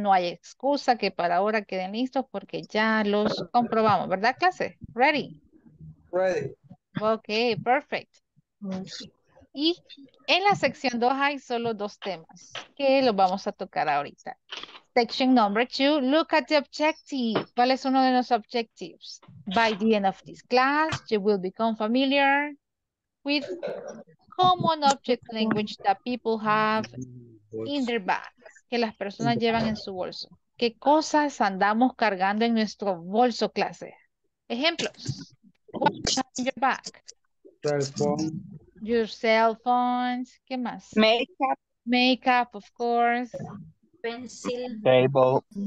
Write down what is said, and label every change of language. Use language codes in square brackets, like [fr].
[es] No hay excusa que para ahora queden listos porque ya los comprobamos. ¿Verdad, clase? Ready. [en] Ready. Ok, perfect. [es] Y en la sección 2 hay solo dos temas que los vamos a tocar ahorita. [en] Section number 2, look at the objective. [es] ¿Cuál es uno de los [en] objectives? By the end of this class, you will become familiar with common object language that people have in their bags, [es] que las personas llevan en su bolso. ¿Qué cosas andamos cargando en nuestro bolso, clase? Ejemplos. [en] What is in your bag? Cellphone. Your cell phones. [es] ¿Qué más? [en] Makeup. Makeup, of course. Pencil. Table.